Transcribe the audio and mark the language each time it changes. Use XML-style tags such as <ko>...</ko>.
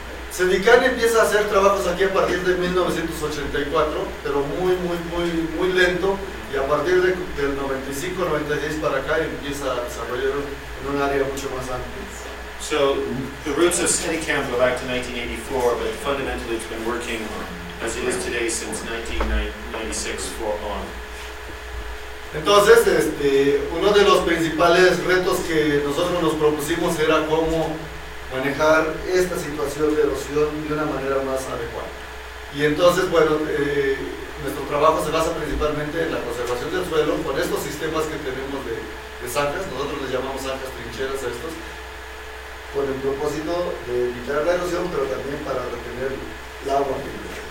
<es>Sedicán empieza a hacer trabajos aquí a partir de 1984, pero muy, muy, muy, muy lento, y a partir del 95, 96 para acá empieza a desarrollar en un área mucho más amplia.</es> <en>So, the roots of Sedicán go back to 1984, but fundamentally it's been working as it is today since 1996 for on.</en> <es>Entonces, uno de los principales retos que nosotros nos propusimos era cómo manejar esta situación de erosión de una manera más adecuada. Y entonces, bueno, nuestro trabajo se basa principalmente en la conservación del suelo con estos sistemas que tenemos de zanjas, nosotros les llamamos zanjas trincheras a estos, con el propósito de evitar la erosión, pero también para retener el agua, ¿no?</es>